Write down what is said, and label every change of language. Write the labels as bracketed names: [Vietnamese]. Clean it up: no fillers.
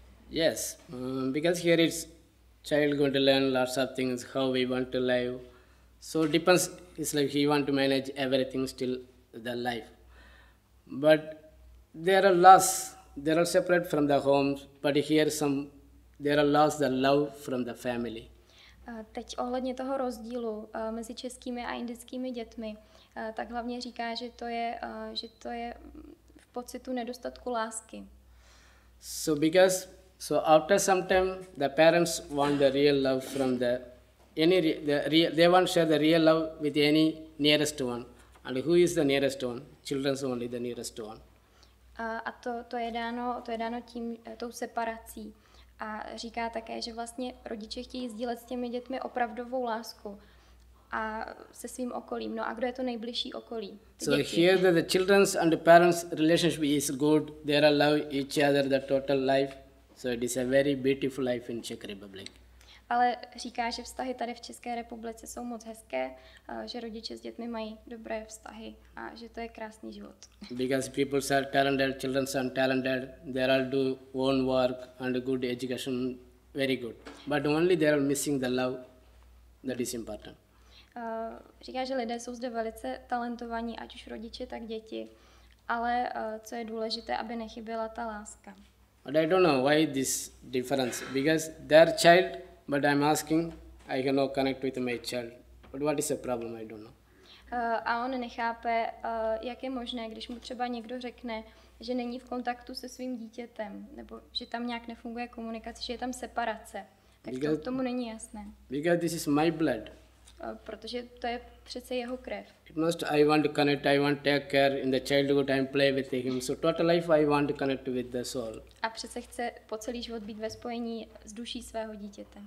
[English] Yes, because here it's child going to learn lots of things, how we want to live. So it depends, it's like he want to manage everything still the life. But there are laws. They are separate from the homes, but here they are lost the love from the family. [Czech] Teď ohledně toho rozdílu mezi českými a indickými dětmi, tak hlavně říká, že to je v pocitu nedostatku lásky. [English] So after some time, the parents want the real love from they want to share the real love with any nearest one. And who is the nearest one? Children's only the nearest one. [Czech] A to je dáno tím, tou separací. A říká také, že vlastně rodiče chtějí sdílet s těmi dětmi opravdovou lásku a se svým okolím. No a kdo je to nejbližší okolí? [English] So here that the children's and the parents' relationship is good. They are love each other the total life. So it is a very beautiful life in Czech Republic. [Czech] Ale říká, že vztahy tady v České republice jsou moc hezké, že rodiče s dětmi mají dobré vztahy a že to je krásný život. [English] Because people are talented, children are talented, they all do own work and good education, very good. But only they are missing the love, that is important. [Czech] Říká, že lidé jsou zde velice talentovaní, ať už rodiče, tak děti, ale co je důležité, aby nechyběla ta láska. [English] But I don't know why this difference, because their child, but I'm asking, I cannot connect with my child. But what is the problem? I don't know. [Czech] A on nechápe, jak je možné, když mu třeba někdo řekne, že není v kontaktu se svým dítětem, nebo že tam nějak nefunguje komunikace, že je tam separace. Tak [English] because, [Czech] to tomu není jasné. [English] Because this is my blood. [Czech] Protože to je přece jeho krev. [English] It must, I want to connect, I want to take care in the childhood, I play with him. So total life I want to connect with the soul. [Czech] A přece chce po celý život být ve spojení s duší svého dítěte.